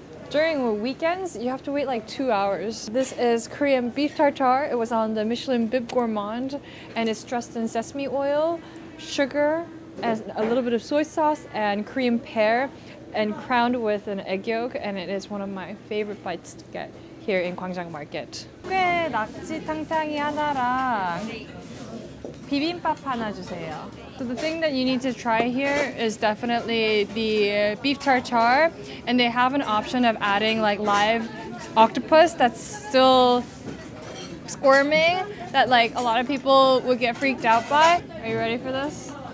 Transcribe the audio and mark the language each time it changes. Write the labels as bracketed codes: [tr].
[en] During weekends, you have to wait like 2 hours. This is Korean beef tartare. It was on the Michelin Bib Gourmand, and it's dressed in sesame oil, sugar, and a little bit of soy sauce, and cream pear, and crowned with an egg yolk, and it is one of my favorite bites to get here in Gwangjang Market. [ko] 꽤 낙지탕탕이 하나랑 비빔밥 하나 주세요. [en] So the thing that you need to try here is definitely the beef tartare, and they have an option of adding like live octopus that's still squirming, that like a lot of people would get freaked out by. Are you ready for this?